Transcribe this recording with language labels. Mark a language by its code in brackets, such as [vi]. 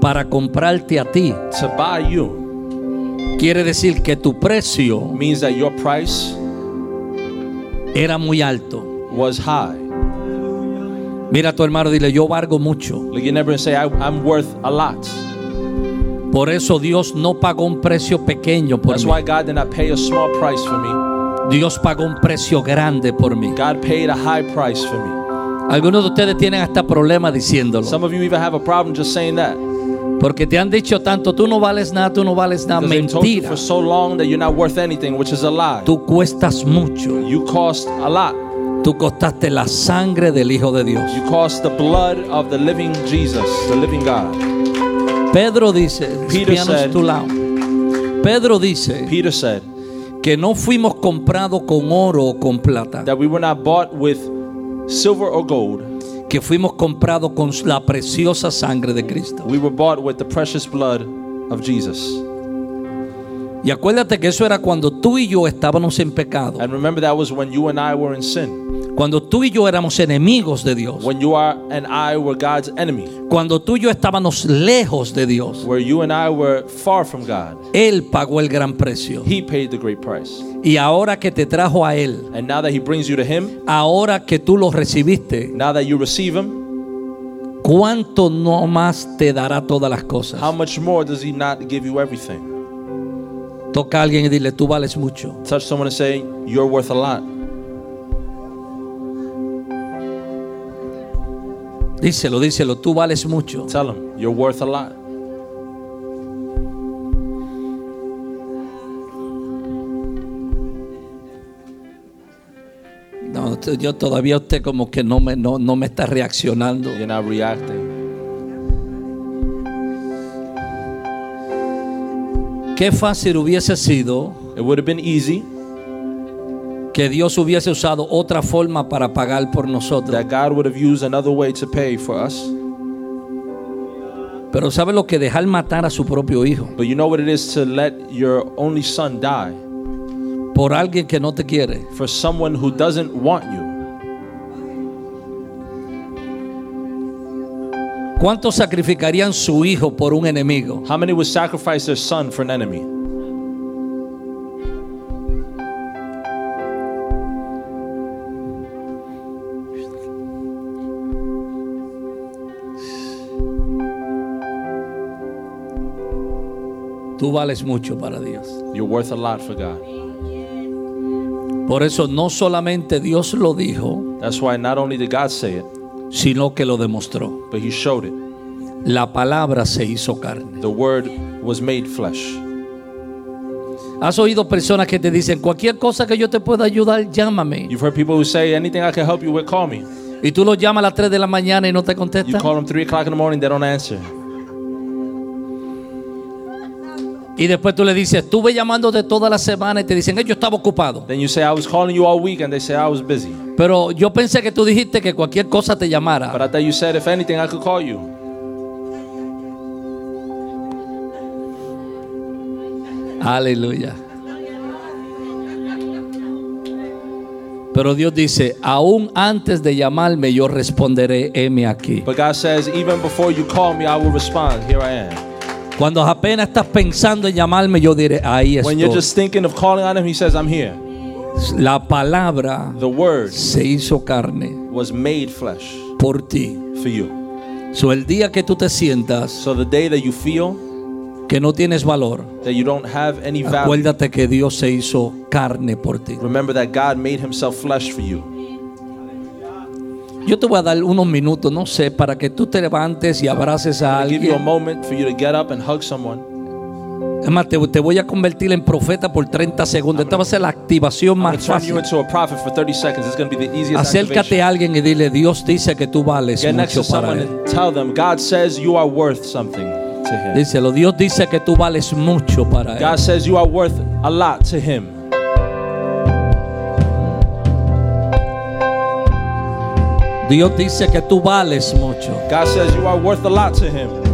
[es] para comprarte a ti, [en] to buy you. [es] Quiere decir que tu precio, [en] means that your price, [es] era muy alto, [en] was high. [es] Mira a tu hermano, dile, yo valgo mucho. [en] Look at your neighbor and say, I'm worth a lot. [es] Por eso Dios no pagó un precio pequeño por [en] mí. That's why God did not pay a small price for me. [es] Dios pagó un precio grande por mí. [en] God paid a high price for me. [es] Algunos de ustedes tienen hasta problema diciéndolo. [en] Some of you even have a problem just saying that. [es] Porque te han dicho tanto, tú no vales nada, tú no vales nada. [en] Because [es] mentira. [en] They've told you for so long that you're not worth anything, which is a lie. [es] Tú cuestas mucho. [en] You cost a lot. [es] Tú costaste la sangre del Hijo de Dios. [en] You cost the blood of the living Jesus, the living God. [es] Pedro dice, [en] Peter said, [es] a tu lado. Pedro dice, [en] Peter said, [es] que no fuimos comprados con oro o con plata. [en] That we were not bought with silver or gold. [es] Que fuimos comprados con la preciosa sangre de Cristo. [en] We were bought with the precious blood of Jesus. [es] Y acuérdate que eso era cuando tú y yo estábamos en pecado. [en] And remember that was when you and I were in sin. [es] Cuando tú y yo éramos enemigos de Dios. [en] When you are and I were God's enemy. [es] Cuando tú y yo estábamos lejos de Dios. [en] Where you and I were far from God. [es] Él pagó el gran precio. [en] He paid the great price. [es] Y ahora que te trajo a él. [en] And now that he brings you to him. [es] Ahora que tú lo recibiste. [en] Now that you receive him. [es] ¿Cuánto no más te dará todas las cosas? [en] How much more does he not give you everything? [es] Toca a alguien y dile, tú vales mucho. [en] Touch someone and say, you're worth a lot. [es] Díselo, díselo, tú vales mucho. [en] Tell him, you're worth a lot. [es] No, yo todavía usted como que no me está reaccionando. [en] You're not reacting. [es] Qué fácil hubiese sido. [en] It would have been easy. [es] Que Dios hubiese usado otra forma para pagar por nosotros. [en] That God would have used another way to pay for us. [es] Pero sabe lo que dejar matar a su propio hijo. [en] But you know what it is to let your only son die. [es] Por alguien que no te quiere. [en] For someone who doesn't want you. [es] ¿Cuántos sacrificarían su hijo por un enemigo? [en] How many would sacrifice their son for an enemy? [es] Tú vales mucho para Dios. [en] You're worth a lot for God. [es] Por eso no solamente Dios lo dijo, [en] that's why not only did God say it, [es] sino que lo demostró. [en] But he showed it. [es] La palabra se hizo carne. [en] The word was made flesh. [es] ¿Has oído personas que te dicen cualquier cosa que yo te pueda ayudar, llámame? [en] You've heard people who say anything I can help you with, call me. [es] Y tú lo llamas a las 3 de la mañana y no te contesta. [en] You call them 3 o'clock in the morning, they don't answer. [es] Y después tú le dices, estuve llamándote toda la semana y te dicen, yo estaba ocupado. [en] Then you say, I was calling you all week, and they say, I was busy. [es] Pero yo pensé que tú dijiste que cualquier cosa te llamara. [en] But I thought you said, if anything, I could call you. [es] Aleluya. Pero Dios dice, aún antes de llamarme, yo responderé, heme aquí. [en] But God says, even before you call me, I will respond, here I am. [es] Cuando apenas estás pensando en llamarme, yo diré, ahí estoy. [en] When you're just thinking of calling on him, he says, I'm here. [es] La palabra, [en] the word, [es] se hizo carne, [en] was made flesh, [es] por ti, [en] for you. [es] So el día que tú te sientas, [en] so the day that you feel, [es] que no tienes valor, [en] that you don't have any value, [es] acuérdate que Dios se hizo carne por ti. [en] Remember that God made himself flesh for you. [es] Yo te voy a dar unos minutos, no sé, para que tú te levantes y abraces a alguien. [en] Give you a moment for you to get up and hug someone. [es] Es más, te voy a convertir en profeta por 30 segundos. Esta va a ser la activación más fácil. [en] I'm going to turn you into a prophet for 30 seconds. It's going to be the easiest activation. [es] Acércate a alguien y dile, Dios dice que tú vales mucho para él. [en] Get next to someone and tell them, God says you are worth something to him. [es] Díselo, Dios dice que tú vales mucho para él. [en] God says you are worth a lot to him. [es] Dios dice que tú vales mucho. [en] God says you are worth a lot to him.